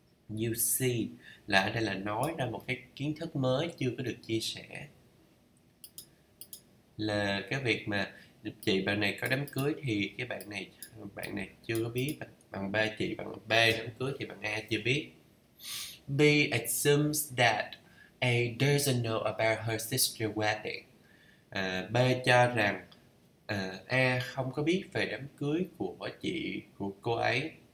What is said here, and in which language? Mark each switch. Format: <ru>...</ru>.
<en>You see,</en> <vi>là đây là nói ra một cái kiến thức mới chưa có được chia sẻ, là cái việc mà chị bạn này có đám cưới thì cái bạn này chưa có biết, bạn ba chị bạn B đám cưới thì bạn A chưa biết.</vi> <en>B assumes that A doesn't know about her sister's wedding.</en> <vi>B cho rằng A không có biết về đám cưới của chị của cô ấy.</vi>